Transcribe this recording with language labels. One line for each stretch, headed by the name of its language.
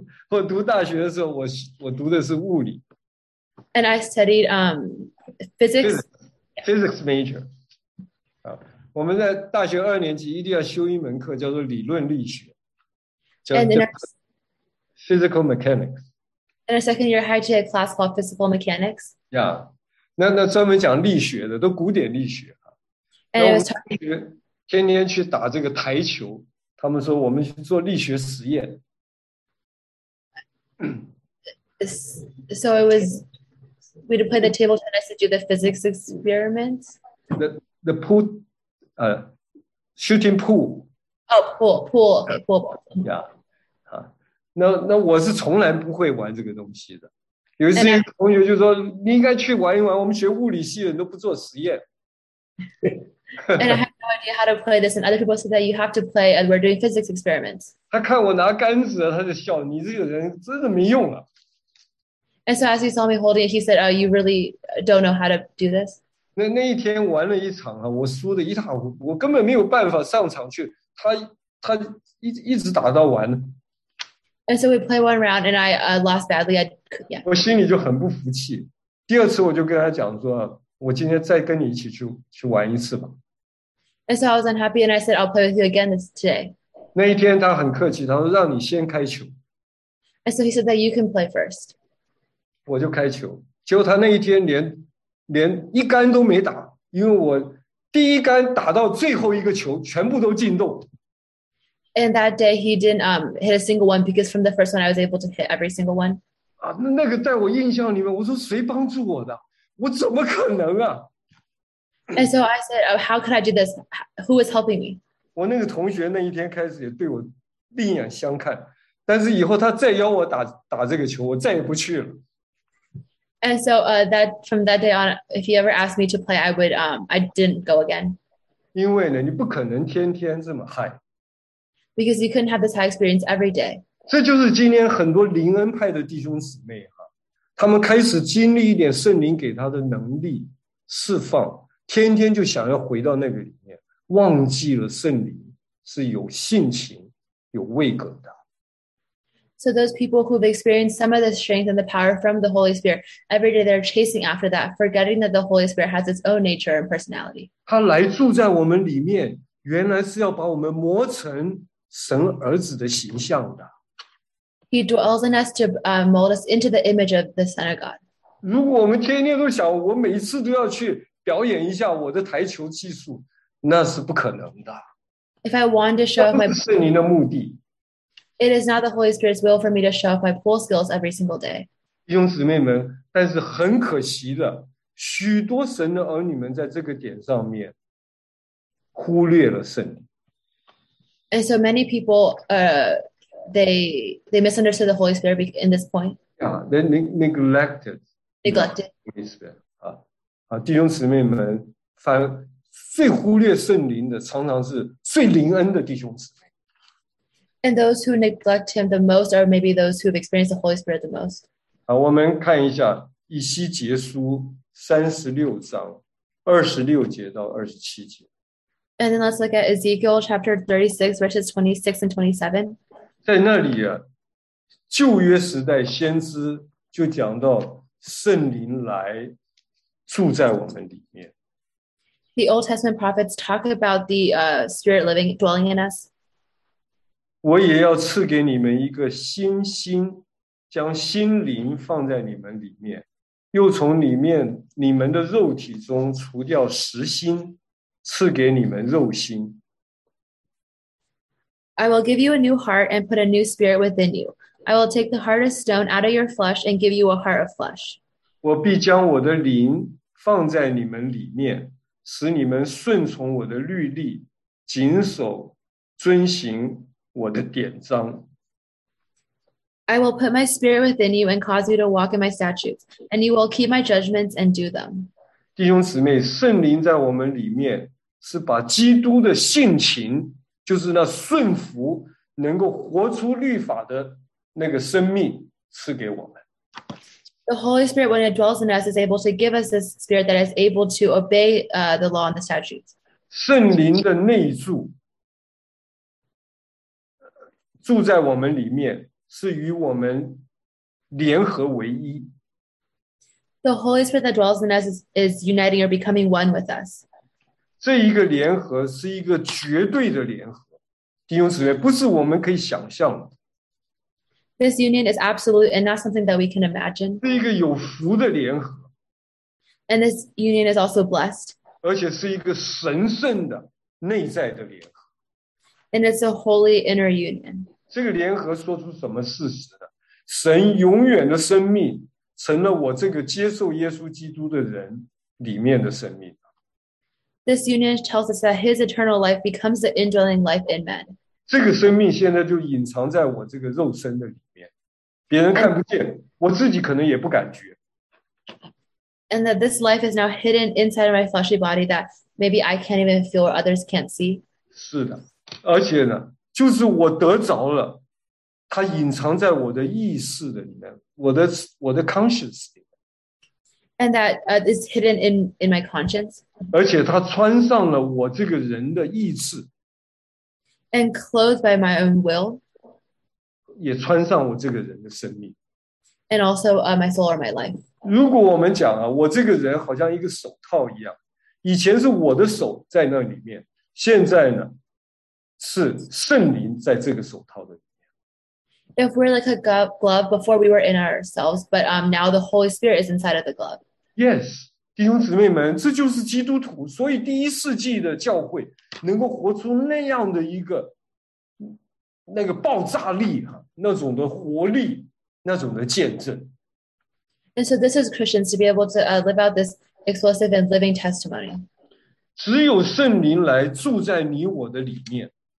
Chinese: 我读大学的时候，我读的是物理。
English: And I studied physics. Physics major.
Chinese: 我们在大学二年级一定要修一门课，叫做理论力学，叫 physical mechanics。
English: And a second year, I had a class called physical mechanics.
Chinese: Yeah, 那专门讲力学的，都古典力学啊。
English: And it was talking.
Chinese: 天天去打这个台球，他们说我们去做力学实验。
English: So it was, we'd play the table tennis to do the physics experiments. The pool. Shooting pool. Oh, pool. Yeah.
Chinese: 那我是从来不会玩这个东西的。有一次一个同学就说，你应该去玩一玩，我们学物理系的人都不做实验。
English: And I have no idea how to play this, and other people said that you have to play and we're doing physics experiments.
Chinese: 他看我拿杆子，他就笑，你这个人真的没用啊。
English: And so as he saw me holding it, he said, oh, you really don't know how to do this?
Chinese: 那一天玩了一场啊，我输得一塌糊涂，我根本没有办法上场去。他一直打到完。
English: And so we play one round, and I lost badly. Yeah.
Chinese: 我心里就很不服气。第二次我就跟他讲说，我今天再跟你一起去玩一次吧。
English: And so I was unhappy, and I said I'll play with you again this today.
Chinese: 那一天他很客气，他说让你先开球。
English: And so he said that you can play first.
Chinese: 我就开球，结果他那一天连一杆都没打，因为我第一杆打到最后一个球，全部都进洞。
English: And that day he didn't hit a single one because from the first one I was able to hit every single one.
Chinese: 那个在我印象里面，我说谁帮助我的？我怎么可能啊
English: ？And so I said, oh, how can I do this? Who is helping me?
Chinese: 我那个同学那一天开始也对我另眼相看，但是以后他再邀我打这个球，我再也不去了。
English: And so that from that day on, if he ever asked me to play, I would I didn't go again.
Chinese: 因为呢，你不可能天天这么 high.
English: Because you couldn't have this high experience every day.
Chinese: 这就是今天很多灵恩派的弟兄姊妹啊，他们开始经历一点圣灵给他的能力释放，天天就想要回到那个里面，忘记了圣灵是有性情、有位格的。
English: So those people who've experienced some of the strength and the power from the Holy Spirit, every day they're chasing after that, forgetting that the Holy Spirit has its own nature and personality.
Chinese: 他来住在我们里面，原来是要把我们磨成神儿子的形象的。
English: He dwells in us to mold us into the image of the Son of God.
Chinese: 如果我们天天都想，我每次都要去表演一下我的台球技术，那是不可能的。
English: If I wanted to show off my...
Chinese: 那不是您的目的。
English: It is not the Holy Spirit's will for me to show off my pool skills every single day.
Chinese: 弟兄姊妹们，但是很可惜的，许多神的儿女们在这个点上面忽略了圣灵。
English: And so many people, they misunderstood the Holy Spirit in this point. Yeah, they neglected the Holy Spirit.
Chinese: 弟兄姊妹们，反最忽略圣灵的，常常是最灵恩的弟兄姊妹。
English: And those who neglect him the most are maybe those who have experienced the Holy Spirit the most.
Chinese: 好，我们看一下以西结书36章26节到27节。
English: And then let's look at Ezekiel chapter 36, verses 26 and 27.
Chinese: 在那里啊，旧约时代先知就讲到圣灵来住在我们里面。
English: The Old Testament prophets talk about the Spirit living, dwelling in us.
Chinese: 我也要赐给你们一个新心，将新灵放在你们里面，又从里面你们的肉体中除掉石心，赐给你们肉心。
English: I will give you a new heart and put a new spirit within you. I will take the heart of stone out of your flesh and give you a heart of flesh.
Chinese: 我必将我的灵放在你们里面，使你们顺从我的律例，谨守遵行我的典章。
English: I will put my spirit within you and cause you to walk in my statutes, and you will keep my judgments and do them.
Chinese: 弟兄姊妹，圣灵在我们里面是把基督的性情，就是那顺服能够活出律法的那个生命赐给我们。
English: The Holy Spirit, when it dwells in us, is able to give us this spirit that is able to obey the law and the statutes.
Chinese: 圣灵的内住，住在我们里面，是与我们联合为一。
English: The Holy Spirit that dwells in us is uniting or becoming one with us.
Chinese: 这一个联合是一个绝对的联合，弟兄姊妹，不是我们可以想象的。
English: This union is absolute and not something that we can imagine.
Chinese: 是一个有福的联合。
English: And this union is also blessed.
Chinese: 而且是一个神圣的内在的联合。
English: And it's a holy inner union.
Chinese: 这个联合说出什么事实的？神永远的生命成了我这个接受耶稣基督的人里面的生命。
English: This union tells us that his eternal life becomes the indwelling life in men.
Chinese: 这个生命现在就隐藏在我这个肉身的里面，别人看不见，我自己可能也不感觉。
English: And that this life is now hidden inside of my fleshy body that maybe I can't even feel or others can't see.
Chinese: 是的，而且呢，就是我得着了，它隐藏在我的意识的里面，我的 conscious 里面。
English: And that is hidden in my conscience.
Chinese: 而且它穿上了我这个人的意志。
English: And clothed by my own will.
Chinese: 也穿上我这个人的生命。
English: And also my soul or my life.
Chinese: 如果我们讲啊，我这个人好像一个手套一样，以前是我的手在那里面，现在呢，是圣灵在这个手套的里面。
English: If we're like a glove, before we were in ourselves, but now the Holy Spirit is inside of the glove. Yes.
Chinese: 弟兄姊妹们，这就是基督徒，所以第一世纪的教会能够活出那样的一个那个爆炸力，那种的活力，那种的见证。
English: And so this is Christians to be able to live out this explosive and living testimony.
Chinese: 只有圣灵来住在你我的里面。